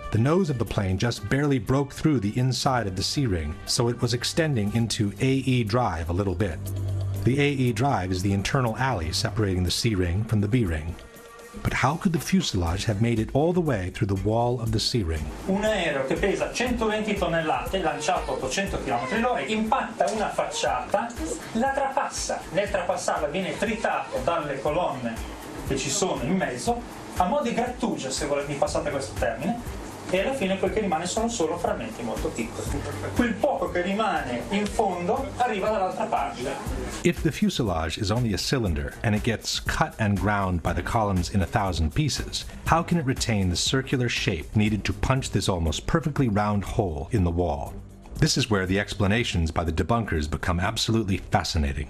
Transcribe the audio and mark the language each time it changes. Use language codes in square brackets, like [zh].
[en] The nose of the plane just barely broke through the inside of the C-ring, so it was extending into AE drive a little bit. The AE drive is the internal alley separating the C-ring from the B-ring. But how could the fuselage have made it all the way through the wall of the C-ring?" [it] Un aereo che pesa 120 tonnellate, lanciato 800 km all'ora, impatta una facciata, la trapassa. Nel trapassarla viene tritato dalle colonne che ci sono in mezzo, a mo' di grattugia, se volete, mi passate questo termine, e alla fine quel che rimane sono solo frammenti molto piccoli. Quel poco che rimane in fondo arriva dall'altra parte. [en] If the fuselage is only a cylinder and it gets cut and ground by the columns in 1,000 pieces, how can it retain the circular shape needed to punch this almost perfectly round hole in the wall? This is where the explanations by the debunkers become absolutely fascinating.